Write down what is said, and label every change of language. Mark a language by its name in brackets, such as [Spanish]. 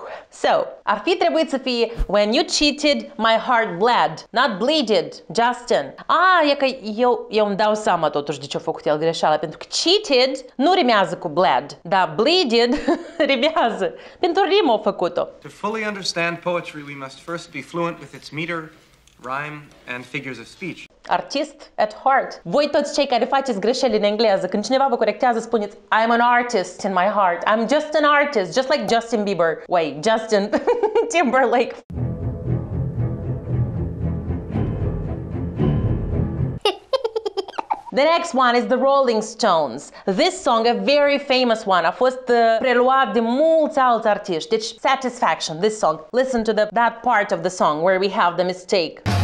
[English] So, [Romanian] ar fi trebuit să fie [English] when you cheated, my heart bled, not bleeded, Justin. [Romanian] Ah, e că eu îmi dau seama totuși de ce a făcut el greșeala, pentru că cheated nu rimează cu bled, dar bleeded rimează, pentru rimă a făcut-o. [English] To fully understand poetry, we must first be fluent with its meter, rhyme and figures of speech. Artist at heart. [Romanian] Voi toți cei care faceți greșeli în engleză, când cineva vă corectează, spuneți [English] I'm an artist in my heart. I'm just an artist, just like Justin Bieber. Wait, Justin Timberlake. The next one is The Rolling Stones. This song, a very famous one, [Romanian] a fost preluat de mulți alți artiști. [English] Deci, Satisfaction, this song. Listen to that part of the song where we have the mistake.